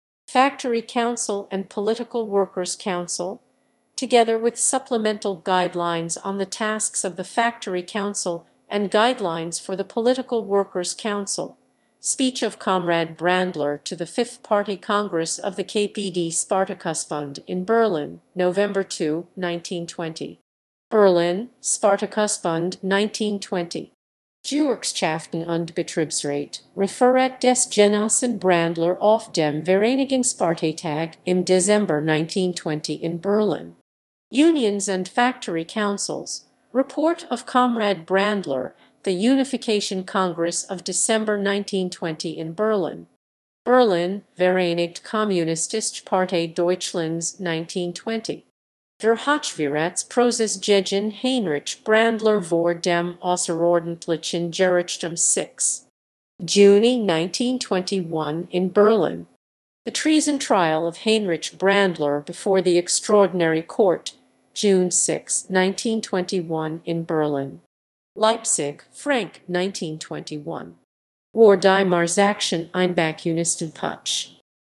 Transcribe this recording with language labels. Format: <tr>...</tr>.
<en>Factory Council and Political Workers' Council, together with supplemental guidelines on the tasks of the Factory Council and guidelines for the Political Workers' Council. Speech of Comrade Brandler to the 5th Party Congress of the KPD Spartakusbund in Berlin, November 2, 1920. Berlin, Spartakusbund, 1920.</en> <de>Gewerkschaften und Betriebsrat, Referat des Genossen Brandler auf dem Vereinigungsparteitag im Dezember 1920 in Berlin.</de> <en>Unions and Factory Councils, Report of Comrade Brandler, The Unification Congress of December 1920 in Berlin.</en> <de>Berlin, Vereinigte Kommunistische Partei Deutschlands, 1920. Der Hochverratsprozess gegen Heinrich Brandler vor dem außerordentlichen Gerichtsum 6. Juni 1921 in Berlin.</de> <en>The Treason Trial of Heinrich Brandler before the Extraordinary Court, June 6, 1921 in Berlin.</en> <de>Leipzig, Frank, 1921. War die Marsaktion ein Bakunistenputsch?</de>